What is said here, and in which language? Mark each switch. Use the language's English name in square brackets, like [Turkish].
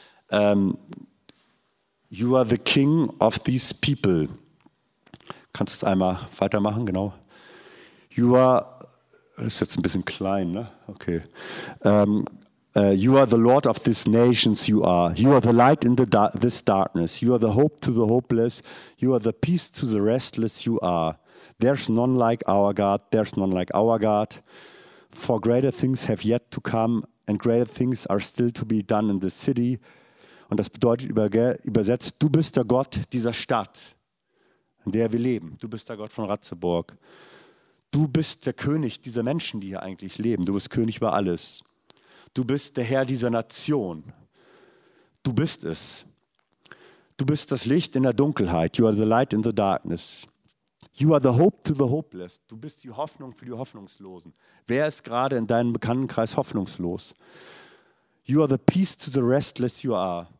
[English] You are the king of these people. [German] Kannst du es einmal weitermachen, genau. [English] You are, [German] das ist jetzt ein bisschen klein, ne? Okay. [English] You are the Lord of these nations, you are. You are the light in this darkness. You are the hope to the hopeless. You are the peace to the restless, you are. There's none like our God, there's none like our God. For greater things have yet to come and greater things are still to be done in this city. [German] Und das bedeutet übersetzt, du bist der Gott dieser Stadt, in der wir leben. Du bist der Gott von Ratzeburg. Du bist der König dieser Menschen, die hier eigentlich leben. Du bist König über alles. Du bist der Herr dieser Nation. Du bist es. Du bist das Licht in der Dunkelheit. [English] You are the light in the darkness. You are the hope to the hopeless. [German] Du bist die Hoffnung für die Hoffnungslosen. Wer ist gerade in deinem Bekanntenkreis hoffnungslos? [English] You are the peace to the restless you are.